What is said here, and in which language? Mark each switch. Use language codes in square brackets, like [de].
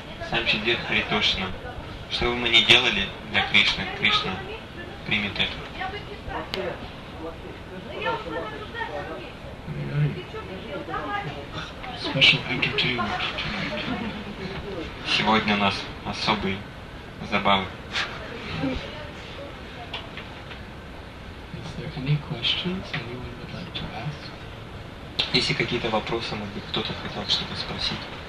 [sa] Сам Сиддхир Хари Тошна, [ru] что бы мы ни делали для Кришны, Кришна примет это. [en] Special entertainment tonight. [ru] Сегодня у нас особые забавы. [en] Is there any questions anyone would like to ask? [ru] Если какие-то вопросы, может быть, кто-то хотел что-то спросить.